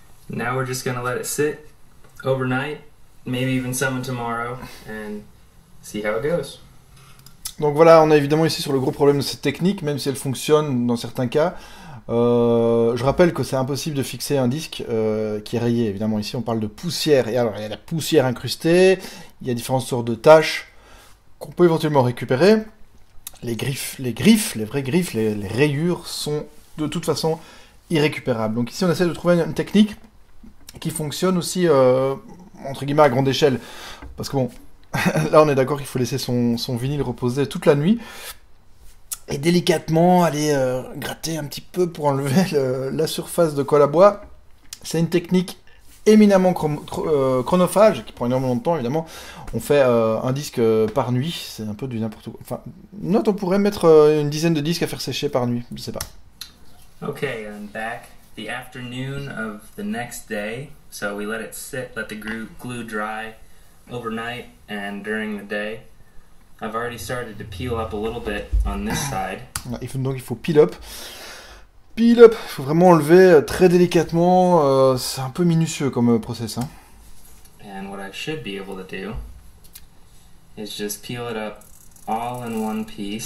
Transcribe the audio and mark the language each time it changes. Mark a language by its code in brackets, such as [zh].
[en] Now we're just gonna let it sit overnight, maybe even some tomorrow, and see how it goes. [fr] Donc voilà, on est évidemment ici sur le gros problème de cette technique, même si elle fonctionne dans certains cas. Je rappelle que c'est impossible de fixer un disque qui est rayé. Évidemment, ici, on parle de poussière. Et alors, il y a la poussière incrustée, il y a différentes sortes de taches qu'on peut éventuellement récupérer. Les vraies griffes, les rayures sont de toute façon irrécupérables. Donc ici, on essaie de trouver une technique qui fonctionne aussi, entre guillemets, à grande échelle. Parce que bon, là, on est d'accord qu'il faut laisser son vinyle reposer toute la nuit. Et délicatement aller gratter un petit peu pour enlever la surface de colle à bois. C'est une technique éminemment chronophage, qui prend énormément de temps évidemment. On fait un disque par nuit, c'est un peu du n'importe quoi. Enfin, note, on pourrait mettre une dizaine de disques à faire sécher par nuit, je sais pas. [en] Okay, I'm back. The afternoon of the next day, so we let it sit, let the glue dry overnight and during the day. I've already started to peel up a little bit on this side. [fr] Donc il faut peel up. Peel up, il faut vraiment enlever très délicatement. C'est un peu minutieux comme process, hein. [en] And what I should be able to do is just peel it up all in one piece.